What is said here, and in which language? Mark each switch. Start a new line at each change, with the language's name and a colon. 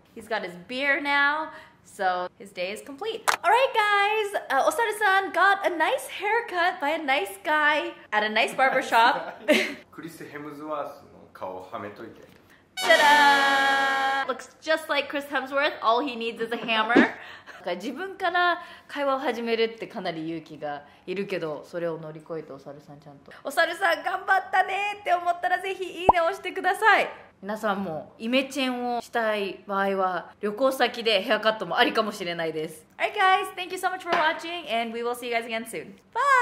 English: He's got his beer now, so his day is complete. Alright guys, Osaru-san got a nice haircut by a nice guy at a nice barber shop.
Japanese: クリス・ヘムズワースの顔をはめといて。
English: Ta-da! Looks just like Chris Hemsworth. All he needs is a hammer.
Japanese: 自分から会話を始めるってかなり勇気がいるけど、それを乗り越えて、お猿さんちゃんと、お猿さん頑張ったねって思ったら、ぜひいいねを押してください。皆さんもイメチェンをしたい場合は、旅行先でヘアカットもありかもしれないです。
English: Alright guys, thank you so much for watching and we will see you guys again soon. Bye!